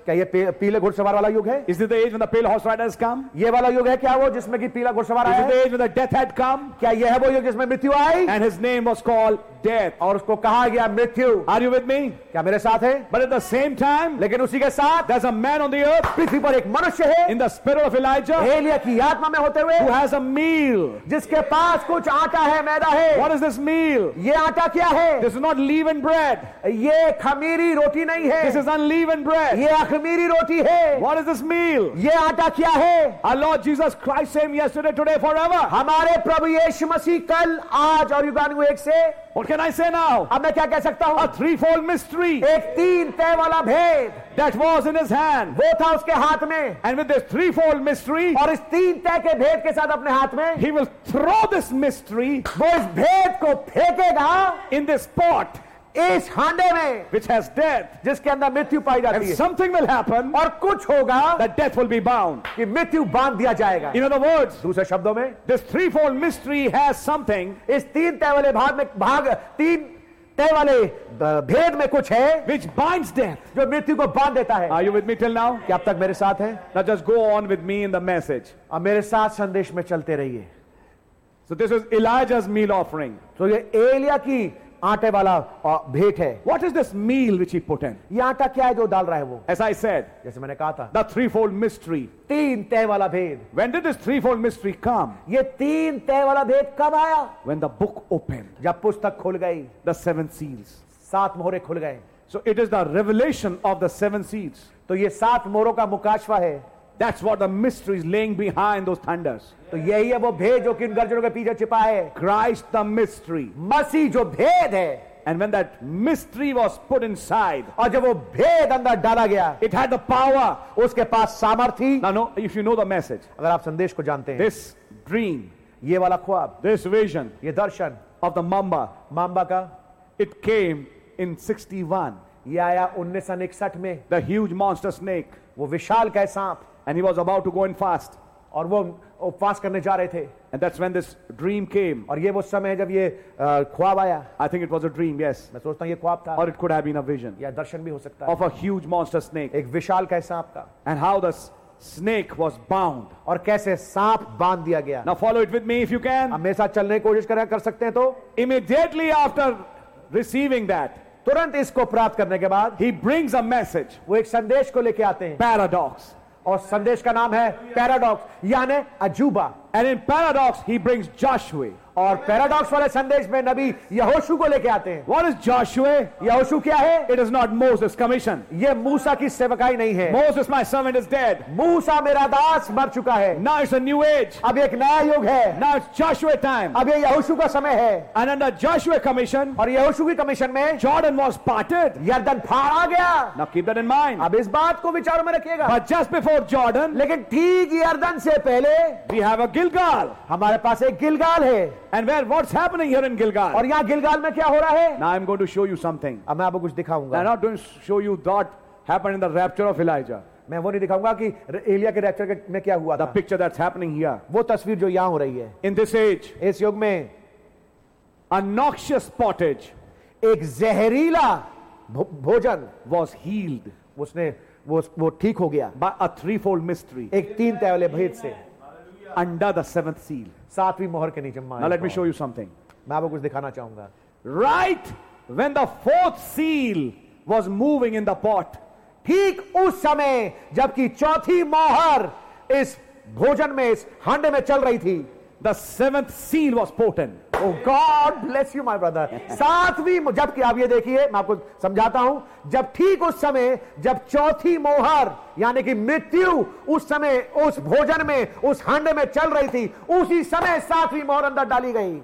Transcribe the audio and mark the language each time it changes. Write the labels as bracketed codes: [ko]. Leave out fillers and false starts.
[hi] क्या ये पीले घुड़सवार वाला युग है? [en] Is this the age when the pale horse riders come? [hi] ये वाला युग है क्या वो जिसमें की पीला घुड़सवार आया? [en] Is this the age when the death had come? [hi] क्या ये है वो युग जिसमें मृत्यु आई? [en] And his name was called death. [hi] और उसको कहा गया मृत्यु। [en] Are you with me? [hi] क्या मेरे साथ है? [en] But at the same time, [hi] लेकिन उसी के साथ, [en] there's a man on the earth, [hi] पृथ्वी पर एक मनुष्य है, [en] in the spirit of Elijah, [hi] Elia की आत्मा में होते हुए, [en] who has a meal, [hi] जिसके पास कुछ आटा है, मैदा है। [en] What is this meal? [hi] ये आटा क्या है? [en] This is not leavened bread. [hi] ये खमीरी रोटी नहीं है। [en] This is unleavened bread. [hi] ये अखमीरी रोटी है। [en] What is this meal? [hi] ये आटा क्या है? [en] Our Lord Jesus Christ same yesterday, today, forever. [hi] हमारे प्रभु यीशु मसीह कल, आज और युगानुयुग से। [en] What can I say now? [hi] अब मैं क्या कह सकता हूँ? [en] A threefold mystery. [hi] एक तीन तह वाला भेद. [en] That was in his hand. [hi] वो था उसके हाथ में. [en] And with this threefold mystery, [hi] और इस तीन तह के भेद के साथ अपने हाथ में, [en] he will throw this mystery, [hi] वो इस भेद को फेंकेगा, [en] in this pot, [hi] इस हांडे में, [en] which has death, [hi] जिसके अंदर मृत्यु पाई जाती [en] and [hi] है. [en] Something will happen, [hi] और कुछ होगा, [en] that death will be bound, [hi] कि मृत्यु बांध दिया जाएगा. [en] In other words, [hi] दूसरे शब्दों में, [en] this threefold mystery has something, [hi] इस तीन तह वाले भाग में, भाग तीन तह वाले भेद में कुछ है, [en] which binds death, [hi] जो मृत्यु को बांध देता है. [en] Are you with me till now? [hi] क्या अब तक मेरे साथ हैं? [en] Now just go on with me in the message. [hi] अब मेरे साथ संदेश में चलते रहिए. [en] So this is Elijah's meal offering. [hi] तो ये एलिया की आटे वाला भेंट है. [en] What is this meal which he put in? [hi] ये आटा क्या है जो डाल रहा है वो? [en] As I said, [hi] जैसे मैंने कहा था, [en] the threefold mystery. [hi] तीन तह वाला भेद. [en] When did this threefold mystery come? [hi] ये तीन तह वाला भेद कब आया? [en] When the book opened. [hi] जब पुस्तक खुल गई. [en] The seven seals. [hi] सात मोहरे खुल गए. [en] So it is the revelation of the seven seals. [hi] तो ये सात मोहरों का मुकाशवा है. [en] That's what the mystery is laying behind those thunders. [hi] तो यही है वो भेद जो कि उन गर्जनों के पीछे छिपा है. [en] Christ the mystery. [hi] मसीह जो भेद है. [en] And when that mystery was put inside, [hi] और जब वो भेद अंदर डाला गया, [en] it had the power. [hi] उसके पास सामर्थी. [en] Now, no, if you know the message, [hi] अगर आप संदेश को जानते हैं, [en] this dream, [hi] ये वाला ख्वाब, [en] this vision, [hi] ये दर्शन, [en] of the mamba, [hi] mamba का, [en] it came in 61. [hi] ये आया 1961 में. [en] The huge monster snake, [hi] वो विशाल का सांप. [en] And he was about to go in fast. [hi] और वो उपवास करने जा रहे थे. [en] And that's when this dream came. [hi] और ये वो समय है जब ये ख्वाब आया. [en] I think it was a dream, yes. [hi] मैं सोचता हूँ ये ख्वाब था. [en] Or it could have been a vision. [hi] या दर्शन भी हो सकता है. [en] Of a huge monster snake. [hi] एक विशाल का सांप का. [en] And how the snake was bound. [hi] और कैसे सांप बांध दिया गया. [en] Now follow it with me if you can. [hi] अब मेरे साथ चलने की कोशिश करें कर सकते हैं तो. [en] Immediately after receiving that. [hi] तुरंत इसको प्राप्त करने के बाद. [en] He brings a message. [hi] वो एक संदेश को लेके आते हैं. [en] Paradox. [hi] और संदेश का नाम है पैराडॉक्स यानी अजूबा. [en] And in paradox he brings Joshua. [hi] और पैराडॉक्स वाले संदेश में नबी यहोशू को लेके आते हैं. [en] What is Joshua? [hi] यहोशू क्या है? [en] It is not Moses commission. [hi] ये मूसा की सेवकाई नहीं है. [en] Moses my servant is dead. [hi] मूसा मेरा दास मर चुका है. [en] Now it's a new age. [hi] अब एक नया युग है. [en] Now it's Joshua time. [hi] अब ये यहोशू का समय है. [en] And under Joshua commission. [hi] और यहोशू की कमीशन में [en] Jordan was parted. [hi] यर्दन फाड़ा गया. [en] Now keep that in mind. [hi] अब इस बात को विचार में रखिएगा. [en] But just before Jordan. [hi] लेकिन ठीक यर्दन से पहले [en] We have a Gilgal. [hi] हमारे पास एक गिलगाल है. [en] And where what's happening here in Gilgal? [hi] और यहाँ गिलगाल में क्या हो रहा है? [en] Now I'm going to show you something. [hi] अब मैं आपको कुछ दिखाऊंगा. [en] I'm not going to show you what happened in the rapture of Elijah. [hi] मैं वो नहीं दिखाऊंगा कि एलिया के रैप्चर में क्या हुआ था. [en] The picture that's happening here. [hi] वो तस्वीर जो यहाँ हो रही है. [en] In this age, [hi] इस युग में, [en] a noxious pottage, [hi] एक जहरीला भोजन [en] was healed. [hi] उसने वो ठीक हो गया. [en] By a threefold mystery. [hi] एक तीन तह वाले भेद से. [en] Under the seventh seal. [hi] सातवीं मोहर के नीचे. [en] Now let me show you something. [hi] मैं आपको कुछ दिखाना चाहूंगा. [en] Right when the fourth seal was moving in the pot. [hi] ठीक उस समय जबकि चौथी मोहर इस भोजन में, इस हांडे में चल रही थी. [en] The seventh seal was potent. Oh God bless you my brother. [hi] सातवीं जबकि आप ये देखिए मैं आपको समझाता हूं जब ठीक उस समय जब चौथी मोहर यानी कि मृत्यु उस समय उस भोजन में उस हांडे में चल रही थी उसी समय सातवीं मोहर अंदर डाली गई.